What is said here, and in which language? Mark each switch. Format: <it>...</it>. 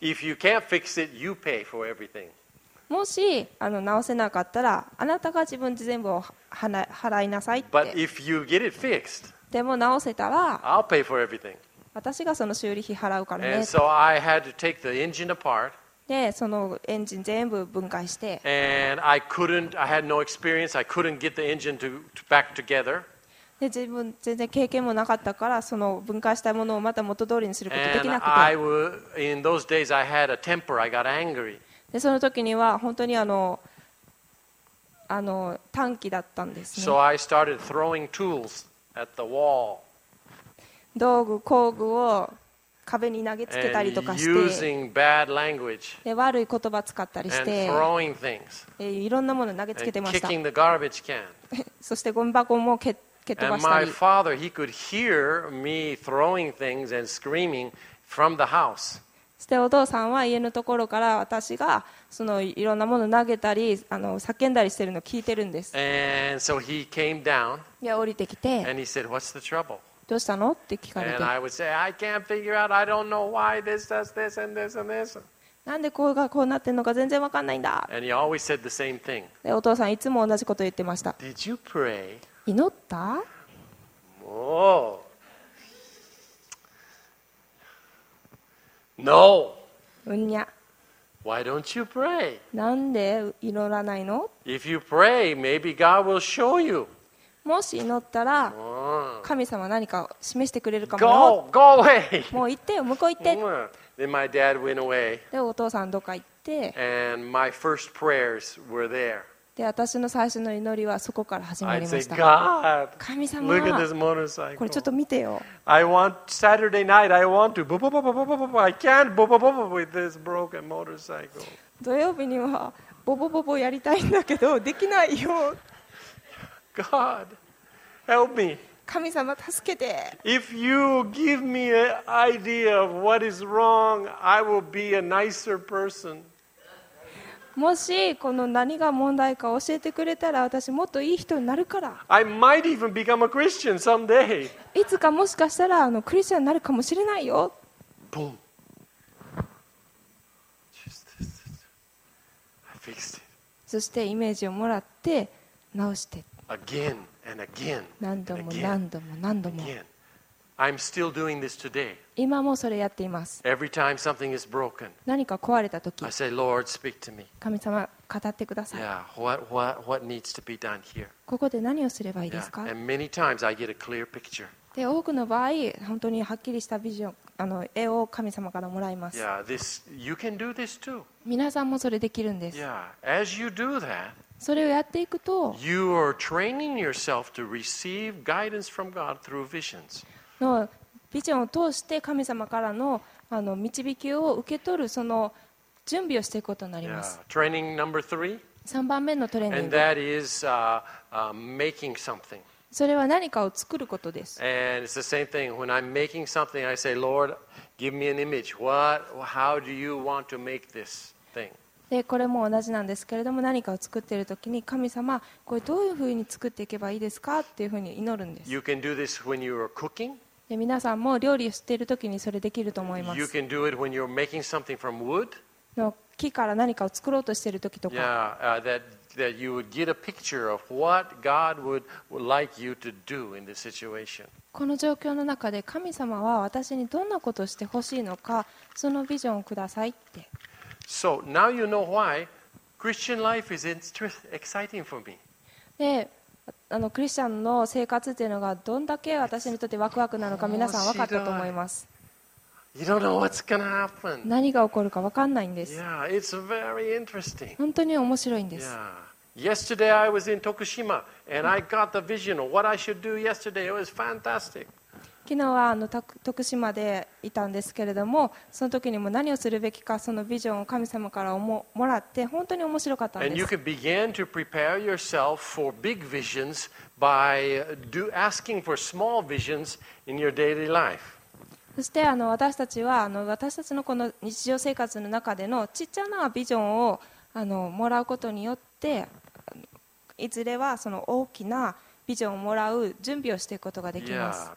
<en>If you can't fix it, you pay for everything.</en> <ja>もし直せなかったらあなたが自分で全部を払いなさいって。</ja> <en>But if you get it fixed,</en> <ja>でも直せたら</ja> <en>I'll pay for everything.</en> <ja>私がその修理費払うからね。</ja> <en>And so I had to take the engine apart.</en> <ja>でそのエンジン全部分解して。</ja> <en>And I couldn't, I had no experience, I couldn't get the engine to back together.</en> <ja>で自分全然経験もなかったからその分解したものをまた元通りにすることができなくて。</ja> <en>And I would, in those days I had a temper, I got angry.</en> <ja>でその時には本当に短期だったんですね。</ja> <en>So I started throwing tools at the wall.</en> <ja>道具、工具を壁に投げつけたりとかして、</ja> <en>using bad language,</en> <ja>悪い言葉使ったりして、</ja> <en>and throwing things,</en> <ja>いろんなものを投げつけてました。</ja> <en>And kicking the garbage can.</en> <ja>そしてゴミ箱も蹴飛ばしたり。</ja> <en>And my father, he could hear me throwing things and screaming from the house.</en> <ja>そしてお父さんは家のところから私がそのいろんなものを投げたり叫んだりしているのを聞いてるんです。</ja> <en>And so he came down.</en> <ja>いや降りてきて。</ja> <en>And he said, "What's the trouble?"</en> <ja>どうしたのって聞かれて。</ja> <en>And I would say, "I can't figure out. I don't know why this does this and this and this."</en> <ja>なんでこうがこうなってるのか全然わかんないんだ。</ja> <en>And he always said the same thing.</en> <ja>でお父さんいつも同じこと言ってました。</ja> <en>Did you pray?</en> <ja>祈った？もう。</ja> <en>No.</en> <ja>うんにゃ。</ja> <en>Why don't you pray?</en> <ja>なんで祈らないの?</ja> <en>If you pray, maybe God will show you.</en> <ja>もし祈ったら、神様何か示してくれるかも。</ja> <en>Go, go away.</en> <ja>もう行ってよ、向こう行って。</ja> <en>Then my dad went away.</en> <ja>で、お父さんどっか行って。</ja> <en>And my first prayers were there.</en> <ja>で、私の最初の祈りはそこから始まりました。</ja> <en>I said, God,</en> <ja>神様、</ja> <en>look at this motorcycle.</en> <ja>これちょっと見てよ。</ja> <en>I want Saturday night. I want to. I can't with this broken motorcycle.</en> <ja>土曜日にはボボボボやりたいんだけどできないよ。</ja> <en>God, help me.</en> <ja>神様助けて。</ja> <en>If you give me an idea of what is wrong, I will be a nicer person.</en> <ja>もしこの何が問題か教えてくれたら私もっといい人になるから。</ja> <en>I might even become a Christian someday.</en> <ja>いつかもしかしたらクリスチャンになるかもしれないよ。</ja> <en>Boom. Just this. I fixed it.</en> <ja>そしてイメージをもらって直して。</ja> <en>Again and again.</en> <ja>何度も何度も何度も。</ja> <en>Again. I'm still doing this today.</en> <ja>今もそれやっています。</ja> <en>Every time something is broken,</en> <ja>何か壊れた時、</ja> <en>I say, Lord, speak to me.</en> <ja>神様、語ってください。</ja> <en>Yeah, what needs to be done here?</en> <ja>ここで何をすればいいですか?</ja> <en>Yeah. And many times I get a clear picture.</en> <ja>で、多くの場合、本当にはっきりしたビジョン、絵を神様からもらいます。</ja> <en>Yeah, this, you can do this too.</en> <ja>皆さんもそれできるんです。</ja> <en>Yeah. As you do that,</en> <ja>それをやっていくと、</ja> <en>you are training yourself to receive guidance from God through visions.</en> <ja>のビジョンを通して神様から の導きを受け取るその準備をしていくことになります。</ja> <en>Yeah. Training number three.</en> <ja>3番目のトレーニング。</ja> <en>And that is making something.</en> <ja>それは何かを作ることです。</ja> <en>And it's the same thing. When I'm making something, I say, Lord, give me an image. What? How do you want to make this thing?</en> <ja>でこれも同じなんですけれども何かを作っているときに神様これどういうふうに作っていけばいいですかっていうふうに祈るんです。</ja> <en>You can do this when you are cooking.</en> <ja>で皆さんも料理をしているときにそれできると思います。</ja> <en>You can do it when you're making something from wood.</en> <ja>の木から何かを作ろうとしているときとか。</ja> <en>Yeah, that you would get a picture of what God would like you to do in this situation.</en> <ja>この状況の中で神様は私にどんなことをしてほしいのかそのビジョンをくださいって。</ja> <en>So now you know why Christian life is exciting for me.</en> <ja>で、クリスチャンの生活っていうのがどんだけ私にとってワクワクなのか皆さん分かったと思います。</ja> <en>You don't know what's gonna happen.</en> <ja>何が起こるか分かんないんです。</ja> <en>Yeah, it's very interesting.</en> <ja>本当に面白いんです。</ja> <en>Yeah. Yesterday I was in Tokushima and I got the vision of what I should do yesterday. It was fantastic.</en> <ja>昨日は徳島でいたんですけれどもその時にも何をするべきかそのビジョンを神様から もらって本当に面白かったんです。</ja> <en>And you can begin to prepare yourself for big visions by asking for small visions in your daily life.</en> <ja>そして私たちは私たちのこの日常生活の中でのちっちゃなビジョンをもらうことによっていずれはその大きなビジョンをもらう準備をしていくことができます。</ja>